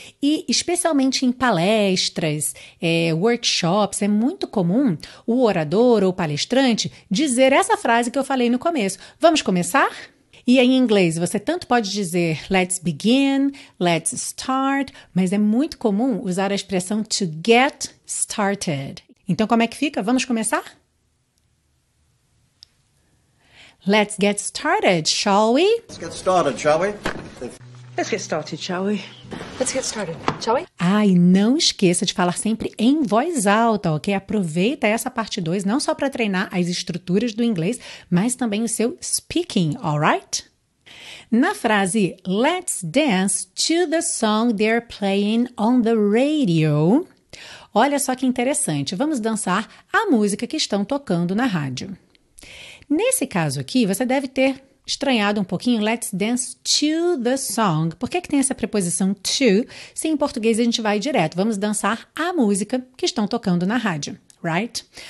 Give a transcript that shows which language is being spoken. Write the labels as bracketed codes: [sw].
[pt] E especialmente em palestras, workshops, é muito comum o orador ou palestrante dizer essa frase que eu falei no começo. Vamos começar? E em inglês, você tanto pode dizer [en] let's begin, let's start, [pt] mas é muito comum usar a expressão [en] to get started. [pt] Então, como é que fica? Vamos começar? [en] Let's get started, shall we? Let's get started, shall we? Let's get started, shall we? Let's get started, shall we? [pt] Ah, e não esqueça de falar sempre em voz alta, ok? Aproveita essa parte 2, não só para treinar as estruturas do inglês, mas também o seu speaking, [en] alright? [pt] Na frase, [en] let's dance to the song they're playing on the radio. [pt] Olha só que interessante, vamos dançar a música que estão tocando na rádio. Nesse caso aqui, você deve ter estranhado um pouquinho, [en] let's dance to the song. [pt] Por que tem essa preposição to, se em português a gente vai direto? Vamos dançar a música que estão tocando na rádio, [en] right?